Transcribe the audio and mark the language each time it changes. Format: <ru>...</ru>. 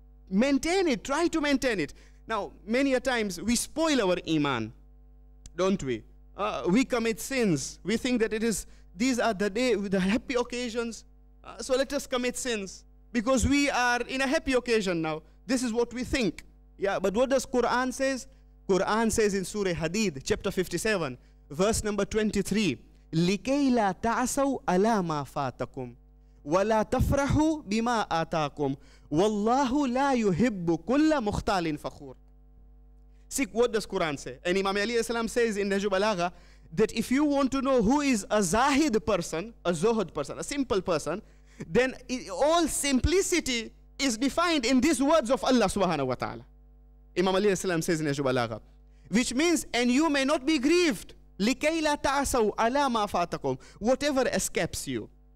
<en>Maintain it, try to maintain it. Now, many a times we spoil our iman, don't we? We commit sins. We think that these are the happy occasions. So let us commit sins because we are in a happy occasion now. This is what we think. Yeah, but what does Quran says? Quran says in Surah Hadid, chapter 57, verse number 23,</en> <ar>لِكَيْ لَا تَعْسَوْا عَلَى مَا فَاتَكُمْ وَلَا تَفْرَحُوا بِمَا آتَاكُمْ وَاللَّهُ لَا يُحِبُّ كُلَّ مُخْتَالٍ فَخُورٍ.</ar> <en>See, what does Quran say? And Imam Ali says in Najib Balagha that if you want to know who is a zahid person, a zuhud person, a simple person, then all simplicity is defined in these words of Allah subhanahu wa ta'ala. Imam Ali says in Najib Balagha, which means, and you may not be grieved,</en> <ar>لِكَيْ لَا تَعْسَوْا عَلَى مَا فَاتَكُمْ,</ar> <en>whatever escapes you.</en>